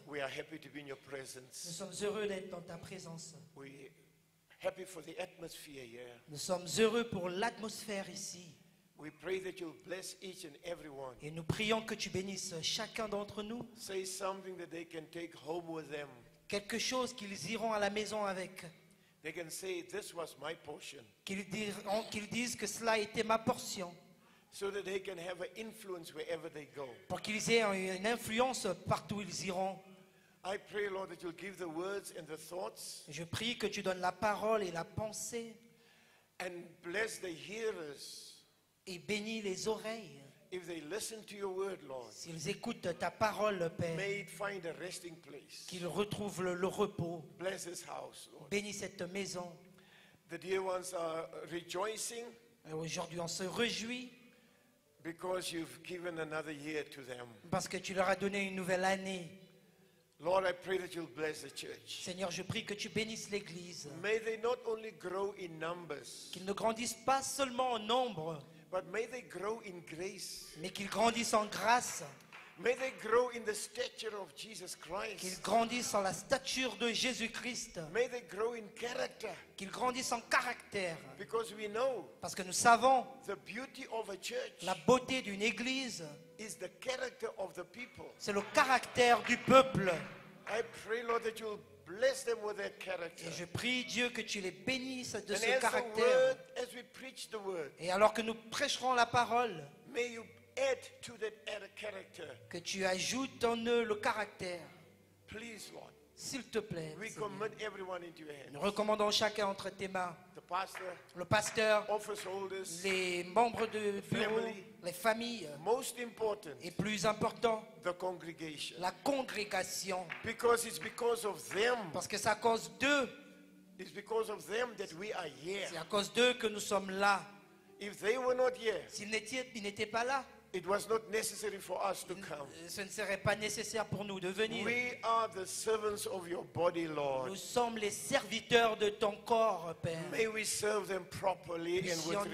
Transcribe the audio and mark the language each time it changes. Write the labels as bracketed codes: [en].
[en] we are happy to be in your presence. [fr] Nous sommes heureux d'être dans ta présence. [en] We happy for the atmosphere here. [fr] Nous sommes heureux pour l'atmosphère ici. [en] We pray that you bless each and everyone. [fr] Et nous prions que tu bénisses chacun d'entre nous. [en] Say something that they can take home with them. [fr] Quelque chose qu'ils iront à la maison avec. [en] They can say, this was my portion. [fr] Qu'ils disent que cela était ma portion. [en] So that they can have an influence wherever they go. [fr] Pour qu'ils aient une influence partout où ils iront. [en] I pray, Lord, that you'll give the words and the thoughts. [fr] Je prie que tu donnes la parole et la pensée. [en] And bless the hearers. [fr] Et bénis les oreilles. [en] If they listen to your word, Lord, [fr] s'ils écoutent ta parole, Père, [en] may it find a resting place. [fr] Qu'ils retrouvent le repos. [en] Bless this house, Lord. [fr] Bénis cette maison. [en] The dear ones are rejoicing. [fr] Et aujourd'hui, on se réjouit. [en] Because you've given another year to them. [fr] Parce que tu leur as donné une nouvelle année. [en] Lord, I pray that you'll bless the church. [fr] Seigneur, je prie que tu bénisses l'église. [en] May they not only grow in numbers. [fr] Qu'ils ne grandissent pas seulement en nombre. [en] But may they grow in grace. [fr] Mais qu'ils grandissent en grâce. [en] May they grow in the stature of Jesus Christ. [fr] Qu'ils grandissent en la stature de Jésus-Christ. [en] May they grow in character. [fr] Qu'ils grandissent en caractère. [en] Because we know. [fr] Parce que nous savons. [en] The beauty of a church. [fr] La beauté d'une église. [en] Is the character of the people. [fr] C'est le caractère du peuple. [en] I pray, Lord, that you'll bless them with their character. [fr] Et je prie Dieu que tu les bénisses de [en] and [fr] ce caractère. [en] Word, as we preach the word, [fr] et alors que nous prêcherons la parole, [en] may you add to that character. [fr] Que tu ajoutes en eux le caractère. [en] Please, Lord, [fr] s'il te plaît, [en] we commit everyone into your hands. [fr] Nous recommandons chacun entre tes mains. [en] The pastor, [fr] le pasteur, [en] office holders, [fr] les membres de bureau, [en] family, [fr] les familles, [en] most important, [fr] et plus important, [en] the congregation. [fr] La congrégation. [en] Because it's because of them. [fr] Parce que c'est à cause d'eux. [en] It's because of them that we are here. [fr] C'est à cause d'eux que nous sommes là. [en] If they were not here, [fr] s'ils n'étaient pas là, [en] it was not necessary for us to come. [fr] Ce ne serait pas nécessaire pour nous de venir. [en] We are the servants of your body, Lord. [fr] Nous sommes les serviteurs de ton corps, Père. [en] May we serve them properly and with respect,